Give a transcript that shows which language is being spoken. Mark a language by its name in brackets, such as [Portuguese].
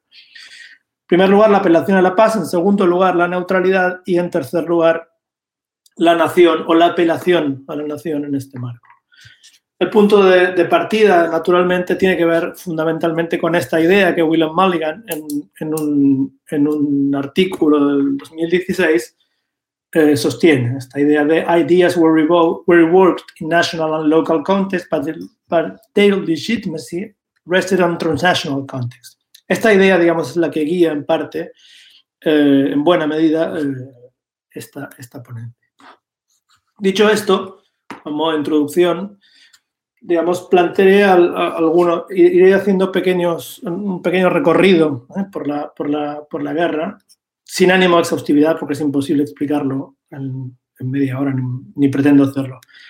[Spanish] En primer lugar, la apelación a la paz, en segundo lugar, la neutralidad, y en tercer lugar, la nación o la apelación a la nación en este marco. El punto de partida, naturalmente, tiene que ver fundamentalmente con esta idea que William Mulligan, en un artículo del 2016, sostiene. [English] Esta idea de ideas were worked in national and local context, but their legitimacy rested on transnational context. [Spanish] Esta idea, digamos, es la que guía en parte, en buena medida, esta ponencia. Dicho esto, como introducción, digamos, plantearé iré haciendo un pequeño recorrido por la guerra, sin ánimo de exhaustividad, porque es imposible explicarlo en media hora, ni pretendo hacerlo.